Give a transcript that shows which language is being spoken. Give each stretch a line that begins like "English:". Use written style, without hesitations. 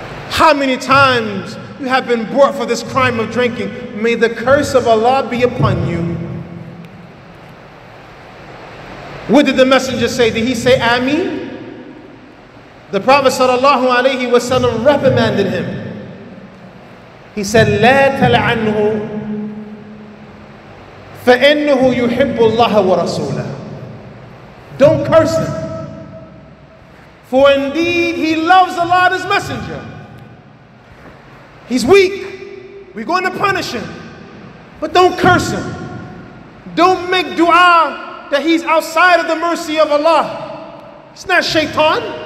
English: How many times you have been brought for this crime of drinking? May the curse of Allah be upon you. What did the messenger say? Did he say Ameen? The Prophet sallallahu alayhi wasallam reprimanded him. He said,
Arabic: لا تلعنه فإنه يحب الله ورسوله.
English: Don't curse him, for indeed he loves Allah and his messenger. He's weak. We're going to punish him. But don't curse him. Don't make dua that he's outside of the mercy of Allah. It's not shaitan.